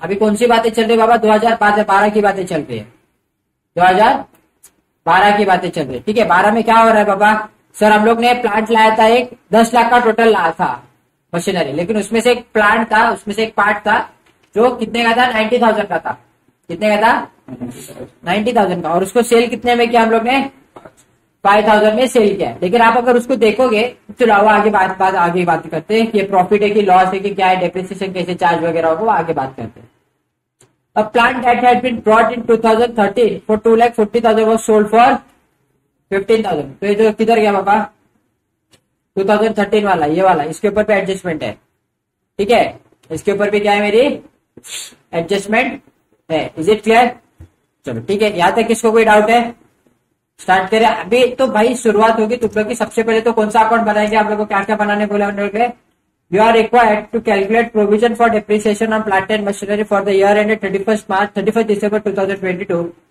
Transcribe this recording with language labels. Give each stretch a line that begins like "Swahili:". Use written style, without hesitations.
Hindi: अभी कौन सी बातें चल रही है बाबा, 2012 की बातें चल रही है, 2012 की बातें चल रही है। ठीक है, 12 में क्या हो रहा है बाबा, सर हम लोग ने प्लांट लाया था एक 10 लाख का टोटल लाया था मशीनरी, लेकिन उसमें से एक प्लांट था, उसमें से एक पार्ट था जो कितने का था, 90,000 का था। कितने का था, 90,000 का, और उसको सेल कितने में किया हम लोग ने, 5,000 में सेल किया। लेकिन आप अगर उसको देखोगे, चलो आगे बात बात आगे बात करते हैं, ये प्रॉफिट है कि लॉस है कि क्या है, डेप्रिसिएशन कैसे चार्ज वगैरह होगा, वो आगे बात करते हैं।
English: A plant that had been brought in 2013 for 2,50,000 was sold for 15,000.
Hindi: तो ये जो किधर गया पापा? 2013 वाला, ये वाला, इसके ऊपर भी एडजस्टमेंट है, ठीक है? इसके ऊपर भी क्या है मेरी एडजस्टमेंट है,
English: Is it clear?
Hindi: चलो ठीक है, यहां तक किसको कोई डाउट है? स्टार्ट करें अभी तो भाई, शुरुआत होगी तुम लोग की। सबसे पहले तो कौन सा अकाउंट बनाएंगे आप लोगों को, क्या क्या बनाने बोले हम लोग?
English: You are required to calculate provision for depreciation on plant and machinery for the year end 31 December 2022।